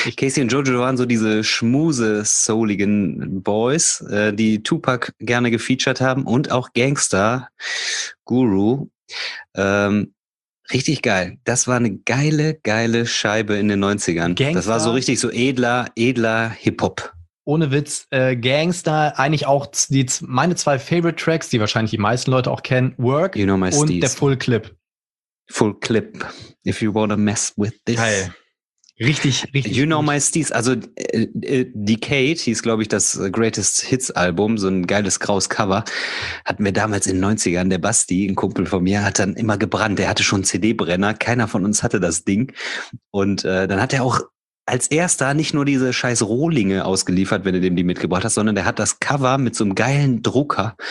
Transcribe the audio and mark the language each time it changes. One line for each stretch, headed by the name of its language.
German: Casey und Jojo waren so diese schmuse-souligen Boys, die Tupac gerne gefeatured haben und auch Gangster, Guru. Richtig geil. Das war eine geile, geile Scheibe in den 90ern. Gangster. Das war so richtig so edler Hip-Hop. Ohne Witz, Gangster, eigentlich auch meine zwei Favorite Tracks, die wahrscheinlich die meisten Leute auch kennen, Work you know my und Steez. Der Full Clip.
English: Full Clip, if you wanna mess with this.
German: Geil. Richtig, richtig. You know my Steez, also Decade hieß, glaube ich, das Greatest Hits Album, so ein geiles graues Cover, hatten wir damals in den 90ern. Der Basti, ein Kumpel von mir, hat dann immer gebrannt. Er hatte schon einen CD-Brenner, keiner von uns hatte das Ding. Und dann hat er auch als erster nicht nur diese scheiß Rohlinge ausgeliefert, wenn du dem die mitgebracht hast, sondern der hat das Cover mit so einem geilen Drucker.